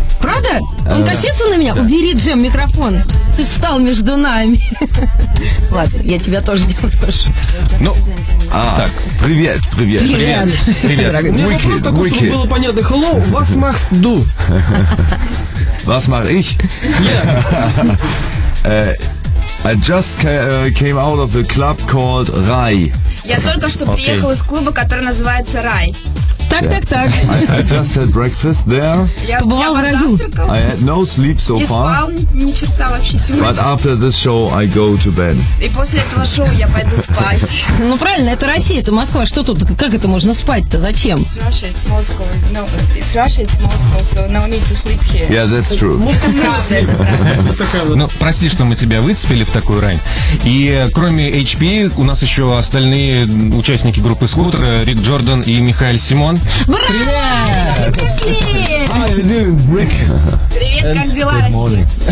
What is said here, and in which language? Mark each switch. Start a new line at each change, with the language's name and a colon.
Russian: Правда? Он косится на меня? Да. Убери, Джем, микрофон. Ты встал между нами. Ладно, я тебя тоже не прошу. Ну, так, привет, привет. Привет. Привет. Вики, чтобы было понятно, hello, was machst du?
German: Was mach ich?
English: Yeah. I just came out of the club called Rai.
Russian: Я только что приехала из клуба, который называется Рай. Так,
English: yeah.
Russian: Так, так.
English: I just had breakfast there.
Russian: Я
English: I had no sleep so
Russian: не
English: far.
Russian: Не спал ни черта вообще сегодня.
English: But after this show I go to bed.
Russian: И после этого шоу я пойду спать. Ну правильно, это Россия, это Москва. Что тут, как это можно спать-то, зачем?
English: It's Russia, it's Moscow. No, it's Russia, it's Moscow, so no need to sleep here. Yeah, that's true.
Russian: Правда, это правда. Ну, прости, что мы тебя выцепили в такую рань. И кроме HP у нас еще остальные участники группы Скутер, Рик Джордан и Михаил Симон. Браво! Привет! Вы пришли!
English: How are you doing, Rick?
Russian: Привет, and как дела, Россия?